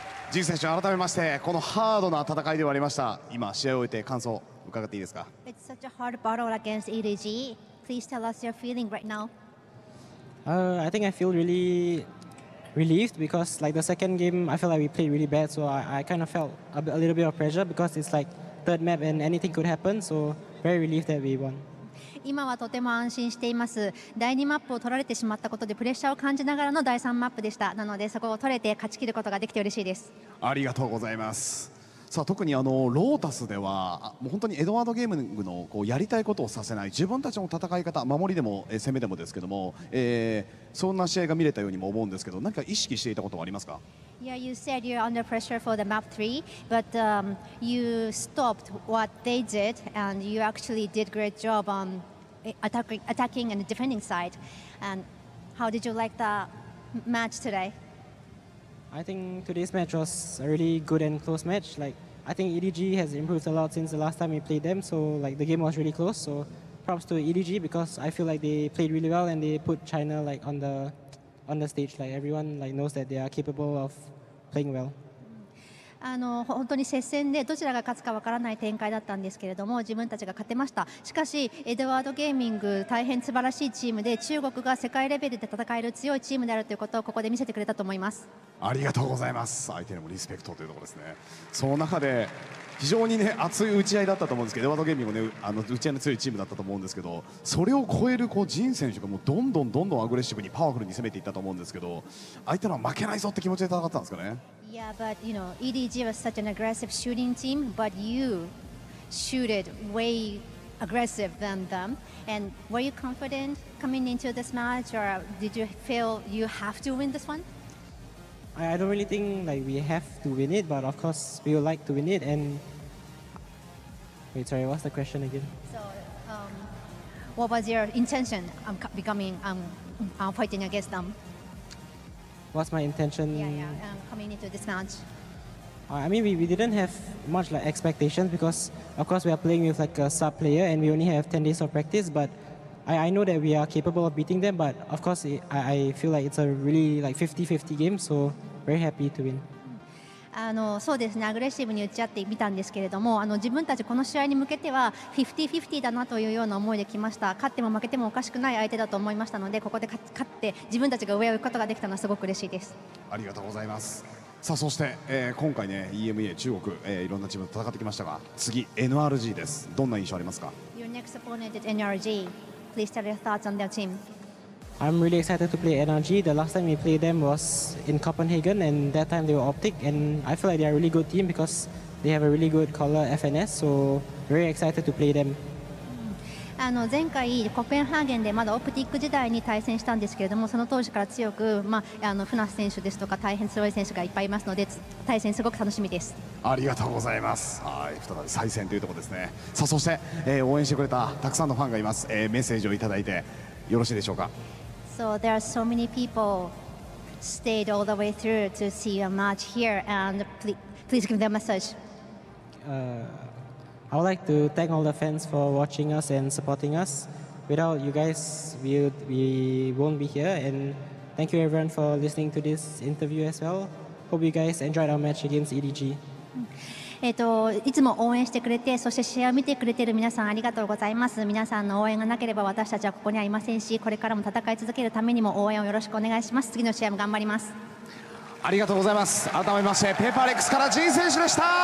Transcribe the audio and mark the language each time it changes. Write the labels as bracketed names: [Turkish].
[Japanese] 人選手、改めましてこのハードな戦いではありました、今試合を終えて感想伺っていいですか？ [English] It's such a hard battle against EDG. Please tell us your feeling right now. I think I feel really relieved because like the second game I felt like we played really bad, so I kind of felt a little bit of pressure because it's like third map and anything could happen, so very relieved that we won. [Japanese] 今はとても安心しています。第2マップを取られてしまったことでプレッシャーを感じながらの第3マップでした。なのでそこを取れて勝ち切ることができて嬉しいです。ありがとうございます。さあ特にあのロータスではもう本当にエドワードゲーミングのこうやりたいことをさせない自分たちの戦い方、守りでも攻めでもですけども、そんな試合が見れたようにも思うんですけど、何か意識していたことはありますか？ [English] Yeah, you said you're under pressure for the map 3, but you stopped what they did and you actually did great job on attacking and defending side. And how did you like the match today? I think today's match was a really good and close match. Like, I think EDG has improved a lot since the last time we played them. So, like, the game was really close. So, props to EDG because I feel like they played really well and they put China like on the stage. Like, everyone like knows that they are capable of playing well. [Japanese] あの本当に接戦でどちらが勝つか分からない展開だったんですけれども、自分たちが勝てました。しかしエドワードゲーミング大変素晴らしいチームで、中国が世界レベルで戦える強いチームであるということをここで見せてくれたと思います。ありがとうございます。相手にもリスペクトというところですね。その中で非常に、ね、熱い打ち合いだったと思うんですけど、エドワードゲーミングも、ね、あの打ち合いの強いチームだったと思うんですけど、それを超えるこうジン選手がもうどんどんどんどんアグレッシブにパワフルに攻めていったと思うんですけど、相手のは負けないぞって気持ちで戦ったんですかね。 [English] Yeah, but you know, EDG was such an aggressive shooting team, but you shooted way aggressive than them. And were you confident coming into this match, or did you feel you have to win this one? I don't really think like we have to win it, but of course we would like to win it. And wait, sorry, what's the question again? So, what was your intention becoming fighting against them? What's my intention? Yeah, coming into this match. I mean, we didn't have much like expectations because, of course, we are playing with like a sub player and we only have 10 days of practice. But I know that we are capable of beating them. But of course, I feel like it's a really like 50-50 game. So very happy to win. [Japanese] あのそうですね、アグレッシブに打ち合ってみたんですけれども、あの自分たちこの試合に向けては 50-50 だなというような思いできました。勝っても負けてもおかしくない相手だと思いましたので、ここで勝って自分たちが上を行くことができたのはすごく嬉しいです。ありがとうございます。さあそして、今回ね EMEA 中国、いろんなチームと戦ってきましたが、次 NRG です。どんな印象ありますか？ [English] Your next opponent is NRG. Please tell your thoughts on their team. I'm really excited to play NRG. The last time we played them was in Copenhagen, and that time they were Optic, and I feel like they are a really good team because they have a really good color FNS, so very excited to play them. [Japanese] あの前回コペンハーゲンでまだオプティック時代に対戦したんですけれども、その当時から強く、まあ、あのフナス選手ですとか大変強い選手がいっぱいいますので、対戦すごく楽しみです。ありがとうございます。はい、再び再戦というところですね。さあそして、応援してくれたたくさんのファンがいます、メッセージをいただいてよろしいでしょうか？ [English] So there are so many people stayed all the way through to see your match here, and please give them a message. I would like to thank all the fans for watching us and supporting us. Without you guys, we won't be here. And thank you everyone for listening to this interview as well. Hope you guys enjoyed our match against EDG. [Japanese] いつも応援してくれて、そして試合を見てくれている皆さん、ありがとうございます。皆さんの応援がなければ私たちはここにはいませんし、これからも戦い続けるためにも応援をよろしくお願いします。次の試合も頑張ります。ありがとうございます。改めまして、ペーパーレックスからジン選手でした。